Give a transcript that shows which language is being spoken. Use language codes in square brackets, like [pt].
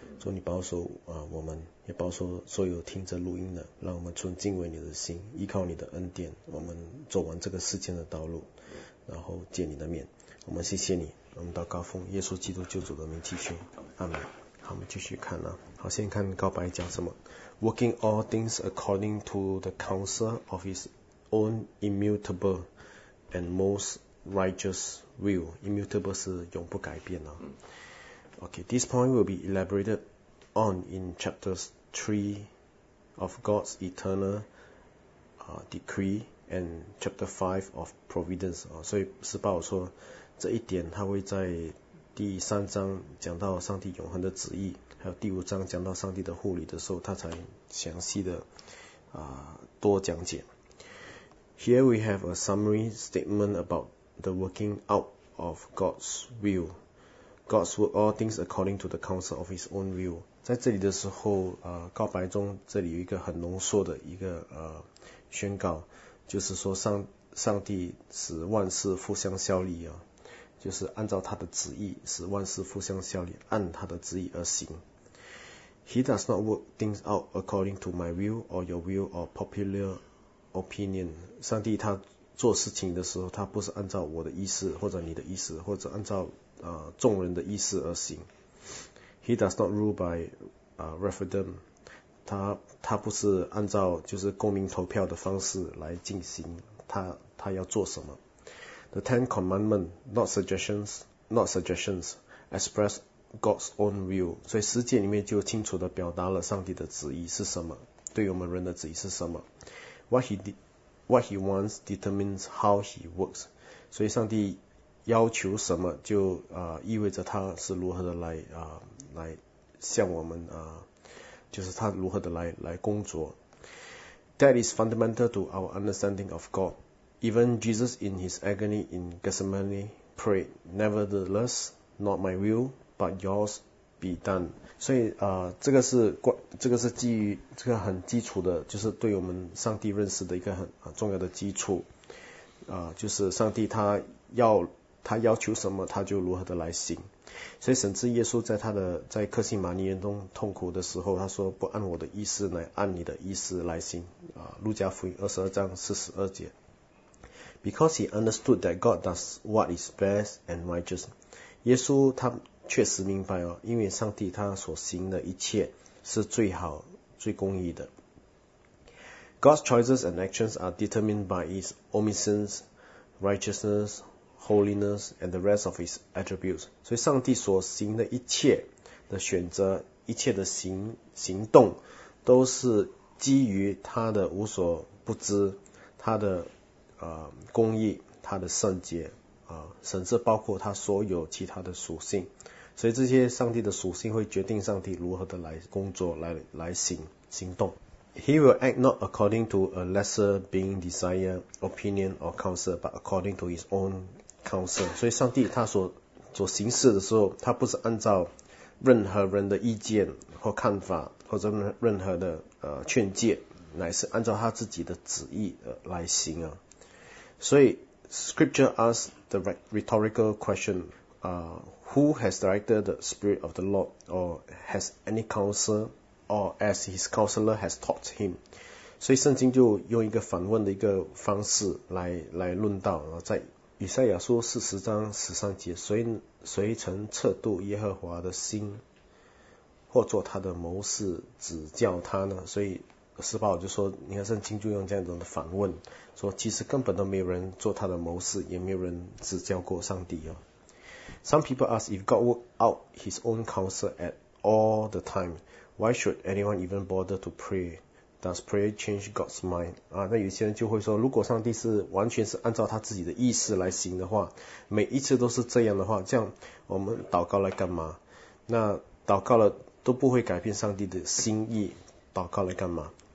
[zh] 主，你保守我们，也保守所有听着录音的，让我们存敬畏你的心，依靠你的恩典，我们走完这个世间的道路，然后见你的面。我们谢谢你，我们到高峰耶稣基督救主的名继续，阿们。好，我们继续看了。好，先看告白讲什么。 [en] Working all things according to the counsel of his own immutable and most righteous will. Immutable [zh] 是永不改变了。 [en] Okay, this point will be elaborated on in chapters 3 of God's eternal decree and chapter 5 of providence. [zh] 所以施巴说这一点他会在第三章讲到上帝永恒的旨意，还有第五章讲到上帝的护理的时候，他才详细的多讲解。 [en] Here we have a summary statement about the working out of God's will. God's work all things according to the counsel of his own will. [zh] 在这里的时候告白中这里有一个很浓缩的一个宣告，就是说上帝使万事互相效力就是按照他的旨意，使万事互相效力，按他的旨意而行。 [en] He does not work things out according to my will or your will or popular opinion. [zh] 上帝他做事情的时候，他不是按照我的意思或者你的意思或者按照众人的意思而行。 [en] He does not rule by referendum. [zh] 他不是按照就是公民投票的方式来进行他要做什么。 [en] The Ten Commandments, not suggestions, express God's own will. [zh] 所以十诫里面就清楚地表达了上帝的旨意是什么，对我们人的旨意是什么。 [en] What he wants determines how he works. [zh] 所以上帝要求什么就意味着他是如何的来向我们就是他如何的来工作。 [en] That is fundamental to our understanding of God. Even Jesus in his agony in Gethsemane prayed, Nevertheless, not my will, but yours be done. [zh] 所以这个是基于这个很基础的，就是对我们上帝认识的一个很重要的基础就是上帝他要求什么他就如何的来行。所以甚至耶稣在在克西马尼园中痛苦的时候，他说不按我的意思来，按你的意思来行路加福音22:42。 [en] Because he understood that God does what is best and righteous. [zh] 耶稣他确实明白因为上帝他所行的一切是最好最公义的。 [en] God's choices and actions are determined by his omniscience, righteousness,Holiness and the rest of his attributes. [zh] 所以上帝所行的一切的选择，一切的行动，都是基于他的无所不知，他的公义，他的圣洁甚至包括他所有其他的属性。所以这些上帝的属性会决定上帝如何的来工作，来行动。 [en] He will act not according to a lesser being desire, opinion or counsel, but according to his own. [zh] 所以上帝他所行事的时候，他不是按照任何人的意见或看法或者任何的劝诫，乃是按照他自己的旨意来行所以 [en] Scripture asks the rhetorical question, who has directed the Spirit of the Lord, or has any counsel, or as his counselor has taught him? [zh] 所以圣经就用一个反问的一个方式来论道在以赛亚书40:13，谁曾测度耶和华的心，或做他的谋士指教他呢？所以施巴就说，你看圣经就用这样一种的反问，说其实根本都没有人做他的谋士，也没有人指教过上帝。 [en] Some people ask if God work out His own counsel at all the time, why should anyone even bother to pray? Does prayer change God's mind? [zh] 那有些人就会说，如果上帝是完全是按照他自己的意思来行的话，每一次都是这样的话，这样我们祷告来干嘛？那祷告了都不会改变上帝的心意，祷告来干嘛？